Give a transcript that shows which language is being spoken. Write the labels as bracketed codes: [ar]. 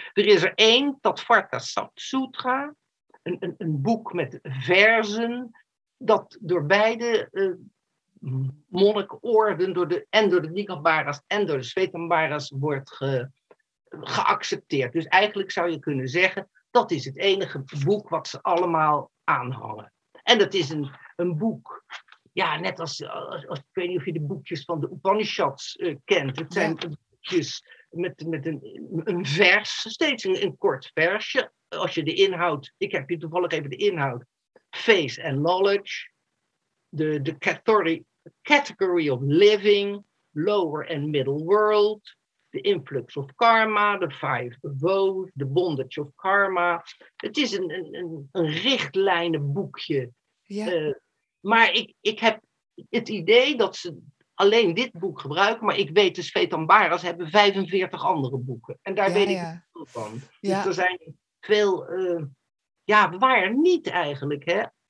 [nl] Er is er één, Tathagata Sutra, een boek met verzen, dat door beide monnikorden, door de Nikambaras en door de Svetambaras wordt geaccepteerd. Dus eigenlijk zou je kunnen zeggen, dat is het enige boek wat ze allemaal aanhangen. En dat is een boek, ja, net als ik weet niet of je de boekjes van de Upanishads kent. Het zijn boekjes... Met een vers, steeds een kort versje. Als je de inhoud, ik heb hier toevallig even de inhoud. [en] Faith and knowledge, the category of living, lower and middle world, the influx of karma, the five vows, the bondage of karma. [nl] Het is een richtlijnenboekje. Ja. Maar ik heb het idee dat ze... alleen dit boek gebruiken, maar ik weet de Svetambaras hebben 45 andere boeken. En daar weet ik veel van. Ja. Dus er zijn veel... waar niet eigenlijk, hè?